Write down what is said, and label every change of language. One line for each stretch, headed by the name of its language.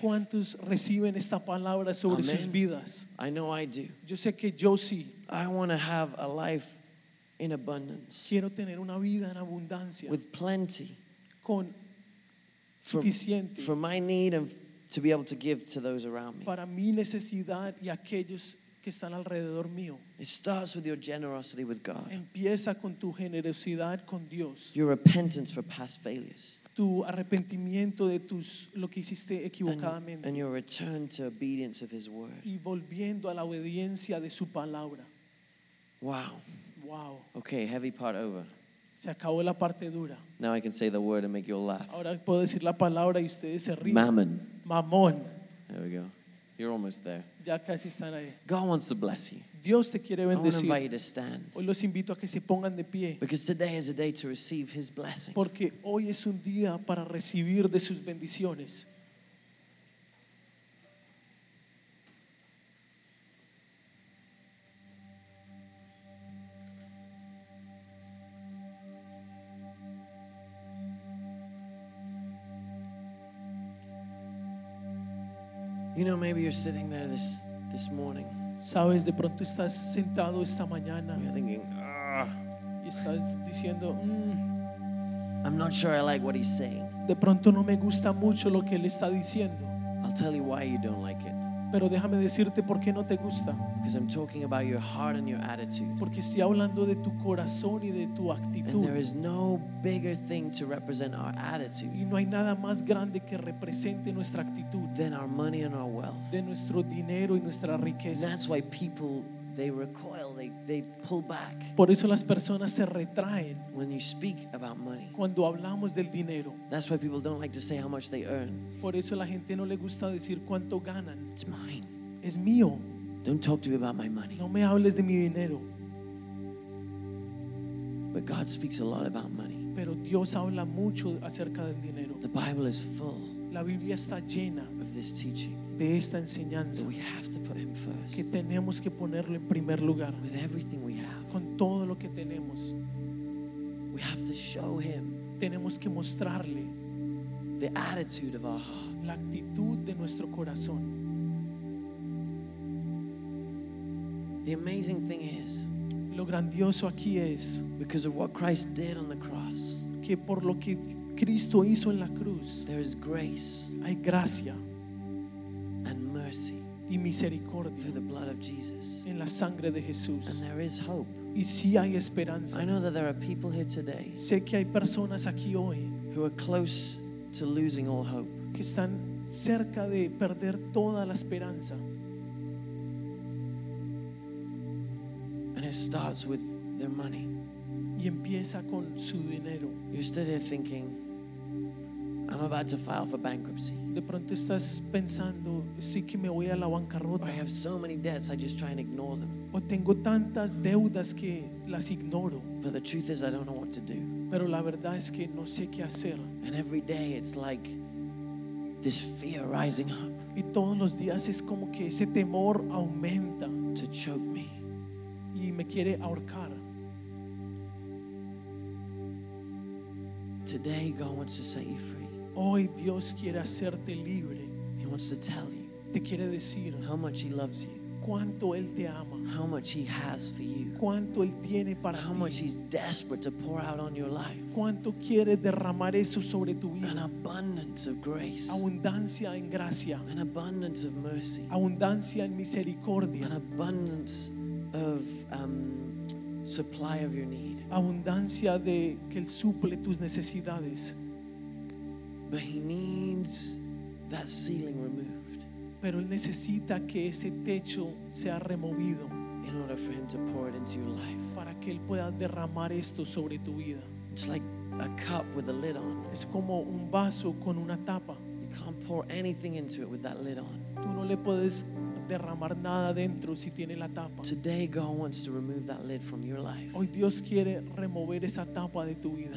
Spanish: ¿Cuántos reciben esta palabra sobre sus vidas?
English: I know I do.
Spanish: Yo sé que yo sí.
English: I want to have a life in abundance.
Spanish: Quiero tener una vida en abundancia.
English: With plenty.
Spanish: Con suficiente.
English: For my need and to be able to give to those around me.
Spanish: Para mi necesidad y aquellos que están alrededor mío.
English: It starts with your generosity with God.
Spanish: Empieza con tu generosidad con Dios.
English: Your repentance for past failures.
Spanish: Tu arrepentimiento de tus lo que hiciste equivocadamente.
English: And your return to obedience of His word.
Spanish: Y volviendo a la obediencia de su palabra.
English: Wow. Wow. Okay, heavy part over.
Spanish: Se acabó la parte dura.
English: Now I can say the word and make you all laugh.
Spanish: Ahora puedo decir la palabra y ustedes se ríen.
English: Mammon.
Spanish: Mamón.
English: There we go. You're almost there.
Spanish: Ya casi están ahí.
English: God wants to bless you.
Spanish: Dios te quiere bendecir.
English: I want to invite you to stand.
Spanish: Hoy los invito a que se pongan de pie.
English: Because today is a day to receive His blessing.
Spanish: Porque hoy es un día para recibir de sus bendiciones.
English: You know, maybe you're sitting there this morning.
Spanish: Sabes, de pronto estás sentado esta mañana.
English: You're thinking,
Spanish: y estás diciendo,
English: I'm not sure I like what he's saying.
Spanish: De pronto no me gusta mucho lo que él está diciendo.
English: I'll tell you why you don't like it.
Spanish: Pero déjame decirte por qué no te gusta.
English: Because I'm talking about your heart and your attitude.
Spanish: Porque estoy hablando de tu corazón y de tu actitud.
English: And there is no bigger thing to represent our attitude.
Spanish: Y no hay nada más grande que represente nuestra actitud.
English: Than our money and our wealth.
Spanish: De nuestro dinero y nuestra riqueza.
English: That's why people, they recoil, they pull back.
Spanish: Por eso las personas se retraen.
English: When you speak about money.
Spanish: Cuando hablamos del dinero.
English: That's why people don't like to say how much they earn.
Spanish: Por eso la gente no le gusta decir cuánto ganan.
English: It's mine.
Spanish: Es mío.
English: Don't talk to me about my money.
Spanish: No me hables de mi dinero.
English: But God speaks a lot about money.
Spanish: Pero Dios habla mucho acerca del dinero.
English: The Bible is full.
Spanish: La Biblia está llena
English: of this teaching.
Spanish: De esta enseñanza.
English: We have to put him first.
Spanish: Que tenemos que ponerlo en primer lugar.
English: With everything we have.
Spanish: Con todo lo que tenemos.
English: We have to show him.
Spanish: Tenemos que mostrarle.
English: The attitude of our heart.
Spanish: La actitud de nuestro corazón.
English: The amazing thing is.
Spanish: Lo grandioso aquí es.
English: Because of what Christ did on the cross.
Spanish: Que por lo que Cristo hizo en la cruz.
English: There is grace.
Spanish: Hay gracia.
English: And mercy
Spanish: y misericordia
English: through the blood of Jesus.
Spanish: En la sangre de Jesús.
English: And there is hope.
Spanish: Y sí hay esperanza.
English: I know that there are people here today.
Spanish: Sé que hay personas aquí hoy
English: who are close to losing all hope.
Spanish: Que están cerca de perder toda la esperanza.
English: And it starts with their money.
Spanish: Y empieza con su dinero.
English: You're still here thinking, I'm about to file for bankruptcy.
Spanish: De pronto estás pensando, estoy que me voy a la bancarrota.
English: Or I have so many debts, I just try and ignore them.
Spanish: O tengo tantas deudas que las ignoro.
English: But the truth is, I don't know what to do.
Spanish: Pero la verdad es que no sé qué hacer.
English: And every day it's like this fear rising up.
Spanish: Y todos los días es como que ese temor aumenta.
English: To choke me.
Spanish: Y me quiere ahorcar.
English: Today God wants to set you free.
Spanish: Hoy Dios quiere hacerte libre.
English: He wants to tell you.
Spanish: Te quiere decir
English: how much he loves you.
Spanish: Cuánto él te ama.
English: How much he has for you.
Spanish: Cuánto él tiene para ti.
English: How much he's desperate to pour out on your life.
Spanish: Cuánto quiere derramar eso sobre tu vida.
English: An abundance of grace.
Spanish: Abundancia en gracia.
English: An abundance of mercy.
Spanish: Abundancia en misericordia.
English: An abundance of supply of your need.
Spanish: Abundancia de que él suple tus necesidades.
English: But he needs that ceiling removed.
Spanish: Pero él necesita que ese techo sea removido.
English: In order for him to pour it into your life.
Spanish: Para que él pueda derramar esto sobre tu vida.
English: It's like a cup with a lid on.
Spanish: Es como un vaso con una tapa.
English: You can't pour anything into it with that lid on.
Spanish: Tú no le puedes derramar nada dentro si tiene la tapa.
English: Today God wants to remove that lid from your life.
Spanish: Hoy Dios quiere remover esa tapa de tu vida.